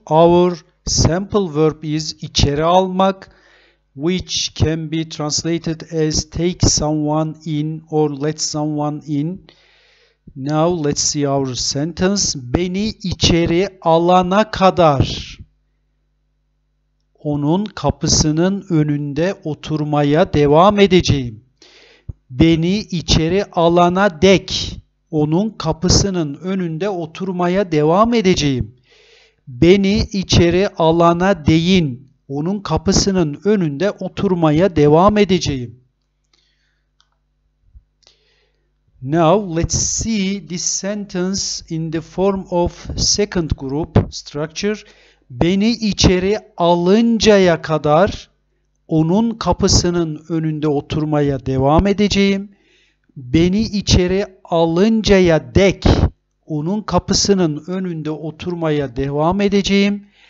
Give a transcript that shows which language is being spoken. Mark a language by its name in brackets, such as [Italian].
[English] Our sample verb is içeri almak, which can be translated as take someone in or let someone in. Now let's see our sentence. [Turkish] Beni içeri alana kadar onun kapısının önünde oturmaya devam edeceğim. Beni içeri alana dek onun kapısının önünde oturmaya devam edeceğim. Beni içeri alana değin onun kapısının önünde oturmaya devam edeceğim. [English] Now, let's see this sentence in the form of second group structure. [Turkish] Beni içeri alıncaya kadar onun kapısının önünde oturmaya devam edeceğim. Beni içeri alıncaya dek onun kapısının önünde oturmaya devam edeceğim.